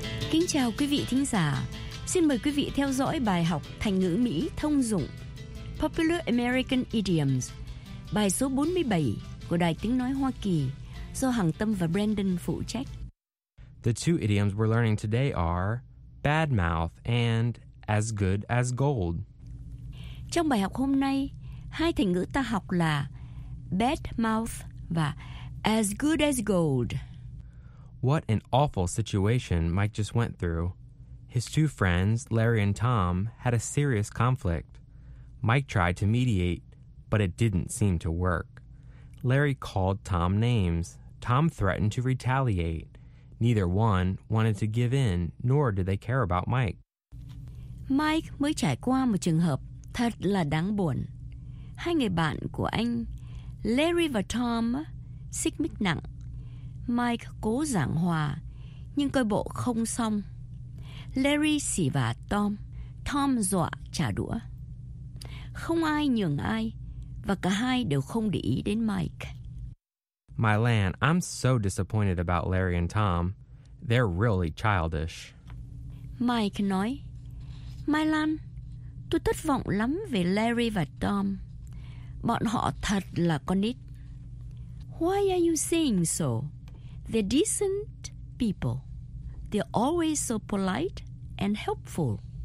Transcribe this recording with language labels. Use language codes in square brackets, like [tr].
[vi] Kính chào quý vị thính giả. Xin mời quý vị theo dõi bài học thành ngữ Mỹ thông dụng Popular American Idioms, bài số 47 của Đài Tiếng Nói Hoa Kỳ do Hằng Tâm và Brandon phụ trách. [en] The two idioms we're learning today are bad mouth and as good as gold. [vi] Trong bài học hôm nay, hai thành ngữ ta học là bad mouth và as good as gold. [en] What an awful situation Mike just went through. His two friends, Larry and Tom, had a serious conflict. Mike tried to mediate, but it didn't seem to work. Larry called Tom names. Tom threatened to retaliate. Neither one wanted to give in, nor did they care about Mike. [vi] Mike mới trải qua một trường hợp thật là đáng buồn. Hai người bạn của anh, Larry và Tom, xích mích nặng. Mike cố giảng hòa, nhưng coi bộ không xong. Larry xỉ vả Tom, Tom dọa trả đũa. Không ai nhường ai, và cả hai đều không để ý đến Mike. [en] My land, I'm so disappointed about Larry and Tom. They're really childish. [vi] Mike nói, My land, tôi thất vọng lắm về Larry và Tom. Bọn họ thật là con nít. [en] Why are you saying so? They're decent people. They're always so polite and helpful.